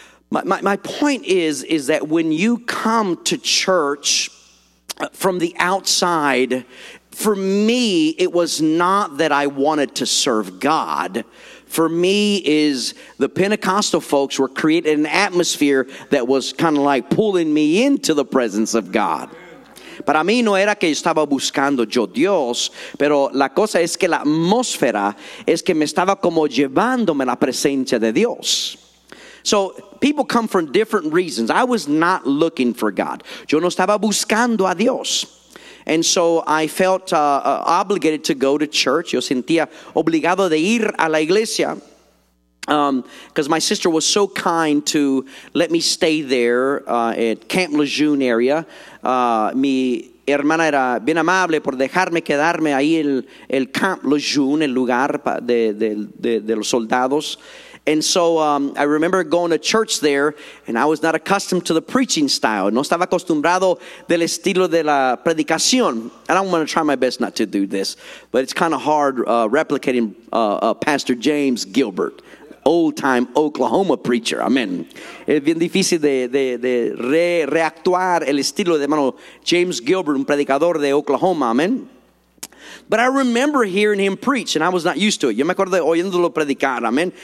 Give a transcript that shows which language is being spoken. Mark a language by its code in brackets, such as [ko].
[en] My point is that when you come to church from the outside. For me, it was not that I wanted to serve God. for me is the Pentecostal folks were creating an atmosphere that was kind of like pulling me into the presence of God. [es] Para mí no era que estaba buscando yo Dios, pero la cosa es que la atmósfera es que me estaba como llevándome la presencia de Dios. [en] So people come from different reasons. I was not looking for God. [es] Yo no estaba buscando a Dios. [en] And so I felt obligated to go to church. [es] Yo sentía obligado de ir a la iglesia. [en] Because my sister was so kind to let me stay there at Camp Lejeune area. [es] Mi hermana era bien amable por dejarme quedarme ahí en el Camp Lejeune, el lugar de los soldados. [en] And so I remember going to church there, and I was not accustomed to the preaching style. [es] No estaba acostumbrado del estilo de la predicación. [en] And I'm going to try my best not to do this, but it's kind of hard replicating Pastor James Gilbert, old-time Oklahoma preacher. Amen. [es] Es bien difícil de reactuar el estilo de hermano James Gilbert, un predicador de Oklahoma. Amen. [en] But I remember hearing him preach, and I was not used to it. [es] Yo me acuerdo de oyéndolo predicar, amen.